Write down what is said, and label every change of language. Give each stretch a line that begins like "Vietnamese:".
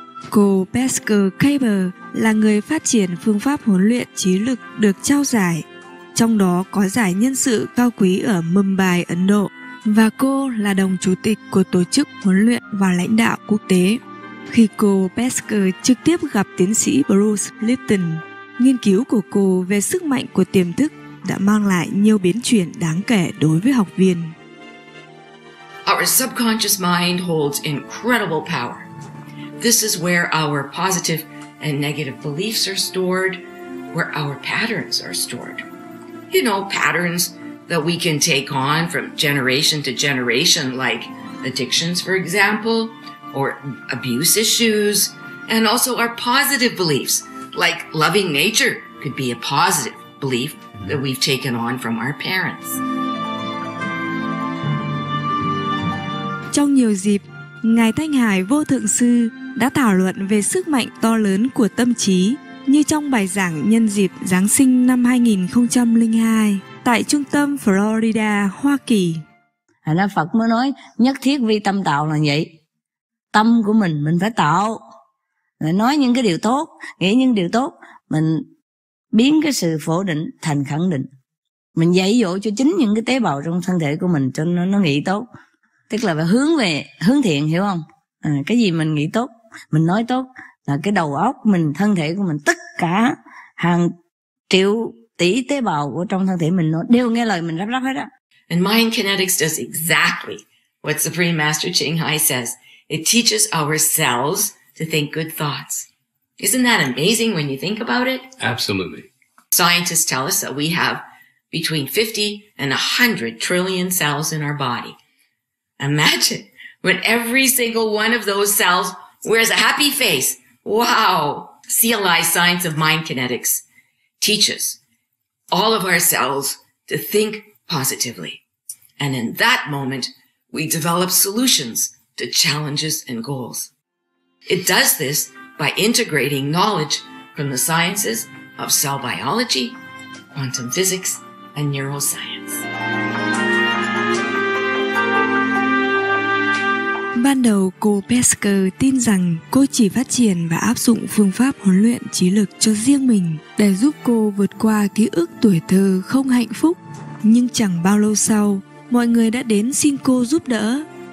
Vietnamese: Cô Pesker Kaber là người phát triển phương pháp huấn luyện trí lực được trao giải, trong đó có giải nhân sự cao quý ở Mumbai, Ấn Độ, và cô là đồng chủ tịch của Tổ chức Huấn luyện và Lãnh đạo Quốc tế. Khi cô Pesker trực tiếp gặp tiến sĩ Bruce Lipton, nghiên cứu của cô về sức mạnh của tiềm thức đã mang lại nhiều biến chuyển đáng kể đối với học viên.
English: Our subconscious mind holds incredible power. This is where our positive and negative beliefs are stored, where our patterns are stored. You know, patterns that we can take on from generation to generation, like addictions, for example, or abuse issues, and also our positive beliefs. Like loving nature could be a positive belief that we've taken on from our parents.
Vietnamese: Trong nhiều dịp, Ngài Thanh Hải Vô Thượng Sư đã thảo luận về sức mạnh to lớn của tâm trí, như trong bài giảng nhân dịp Giáng sinh năm 2002 tại trung tâm Florida, Hoa Kỳ. Nên Phật mới nói nhất thiết vi tâm tạo là vậy. Tâm của mình phải tạo. Nói những cái điều tốt, nghĩ những điều tốt, mình biến cái sự phổ định thành khẳng định. Mình dạy dỗ cho chính những cái tế bào trong thân thể của mình cho nó nghĩ tốt. Tức là phải hướng về, hướng thiện, hiểu không? Cái gì mình nghĩ tốt, mình nói tốt, là cái đầu óc mình, thân thể của mình, tất cả hàng triệu tỷ tế bào của trong thân thể mình nó đều nghe lời mình lắp hết á.
English: And mind kinetics does exactly what Supreme Master Ching Hai says. It teaches our cells to think good thoughts. Isn't that amazing when you think about it? Absolutely. Scientists tell us that we have between 50 and 100 trillion cells in our body. Imagine when every single one of those cells wears a happy face. Wow! CLI, Science of Mind Kinetics, teaches all of our cells to think positively. And in that moment, we develop solutions to challenges and goals. It does this by integrating knowledge from the sciences of cell biology, quantum physics, and neuroscience.
Vietnamese: Ban đầu, cô Pesker tin rằng cô chỉ phát triển và áp dụng phương pháp huấn luyện trí lực cho riêng mình để giúp cô vượt qua ký ức tuổi thơ không hạnh phúc. Nhưng chẳng bao lâu sau, mọi người đã đến xin cô giúp đỡ.